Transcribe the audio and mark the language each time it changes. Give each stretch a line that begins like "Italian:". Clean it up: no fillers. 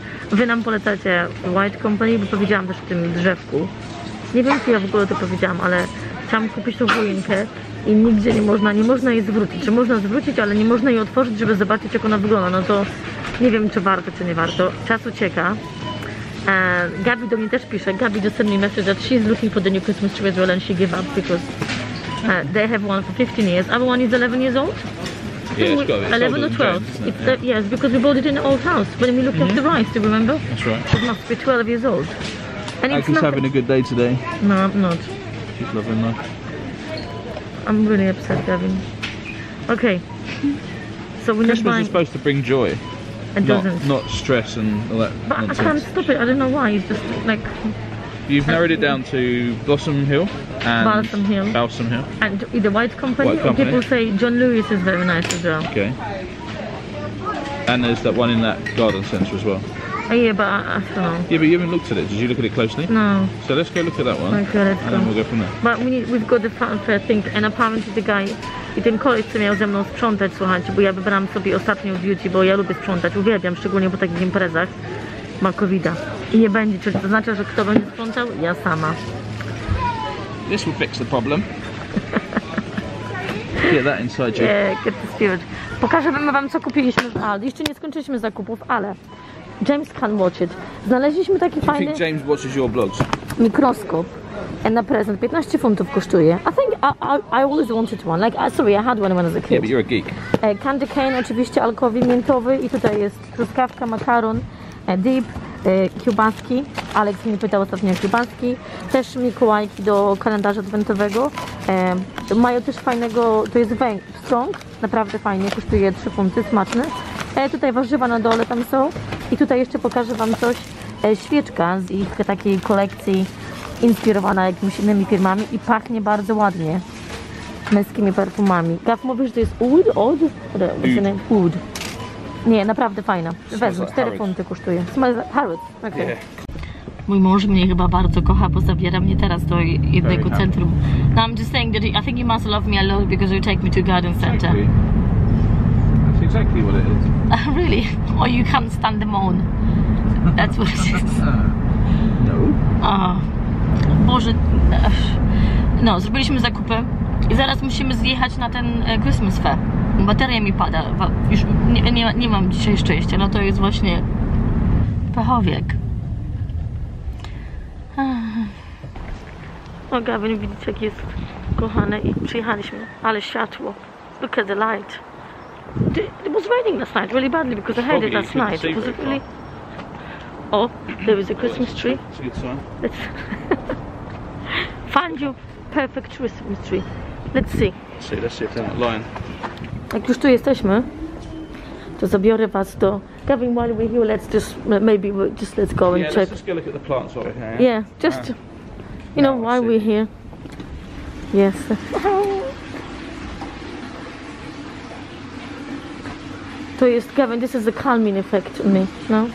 Polish: Wy nam polecacie White Company, bo powiedziałam też o tym drzewku. Nie wiem, czy ja w ogóle to powiedziałam, ale chciałam kupić tą choinkę i nigdzie nie można jej zwrócić. Czy można zwrócić, ale nie można jej otworzyć, żeby zobaczyć, jak ona wygląda. No to nie wiem, czy warto, czy nie warto. Czas ucieka. Gabi do mnie też pisze.
English: Gabi just sent me message that she's looking for the new Christmas tree as well and she gave up because they have one for 15 years. Our one is 11 years old? Yeah, 11 or 12. It's yeah. Yes, because we bought it in an old house when we looked at the rice, do you remember? That's right. It must be 12 years old. And it's not having a good day today. No, I'm not. Keep loving life. I'm really upset, Gavin. Okay. So we're Christmas not buying... is supposed to bring joy. It doesn't. Not stress and all that. But nonsense. I can't stop it. I don't know why. It's just like... You've narrowed it down to Blossom Hill and Balsam Hill. And the White Company. White Company. People say John Lewis is very nice as well. Okay. And there's that one in that garden centre as well. Yeah, but I don't know. Yeah, but you haven't looked at it. Did you look at it closely? No. So let's go look at that one. Okay, let's go. And then we'll go from there. But we've got the fanfare thing, and apparently the guy, he didn't call it to me,
Polish: ze mną sprzątać, słuchajcie, bo ja wybrałam sobie ostatnią duty, bo ja lubię sprzątać, uwielbiam, szczególnie po takich imprezach. Ma COVID-a. I nie będzie, czyli to znaczy, że kto będzie sprzątał? Ja sama.
English: This will fix the problem. Get that inside you. Yeah, get the spirit.
Polish: Pokażemy wam, co kupiliśmy w Aldi. Jeszcze nie skończyliśmy zakupów, ale
English: James can watch it.
Polish: Znaleźliśmy taki
English: you
Polish: fajny...
English: Think James watches your blogs?
Polish: Mikroskop.
English: And a present.
Polish: 15 funtów kosztuje.
English: I think I always wanted one. Like, sorry, I had one when I was a kid. Yeah, but you're a geek.
Polish: Candy cane, oczywiście alkowy, miętowy. I tutaj jest truskawka, makaron. Deep, kiełbaski. Alex mnie pytał ostatnio o kiełbaski. Też mikołajki do kalendarza adwentowego. Mają też fajnego... To jest strong. Naprawdę fajnie. Kosztuje 3 funty. Smaczny. Tutaj warzywa na dole tam są. I tutaj jeszcze pokażę wam coś, świeczka z ich takiej kolekcji inspirowana jakimiś innymi firmami i pachnie bardzo ładnie męskimi perfumami. Gaw, mówisz, że to jest oud? Oud? Oud. Nie, naprawdę fajna. Wezmę, 4 funty kosztuje.
English: Smells like Harrods.
Polish: Okay.
English: Yeah.
Polish: Mój mąż mnie chyba bardzo kocha, bo zabiera mnie teraz do jednego centrum.
English: No, I'm just saying that I think you must love me a lot because you take me to garden center. Exactly what it is. Really? Or you can't stand the moon. That's what it is. No.
Polish: Boże. No, zrobiliśmy zakupy i zaraz musimy zjechać na ten Christmas fair. Bateria mi pada. Już nie mam dzisiaj szczęścia. No to jest właśnie pechowiek. O Gavin, widzicie jak jest kochane i przyjechaliśmy. Ale światło.
English: Look at the light. It was raining last night really badly because I heard it last night. It was really. Oh, there is a Christmas tree. It's a good sign. Let's find your perfect Christmas tree. Let's see if they're not lying.
Polish: Jak już tu jesteśmy, to zabiorę was do.
English: Gavin, while we're here, let's just maybe just let's go and check. Yeah, let's just go look at the plants while we're here. Yeah, just you know why we're here. Yes.
Polish: To jest,
English: Gavin, this is a calming effect on me, no?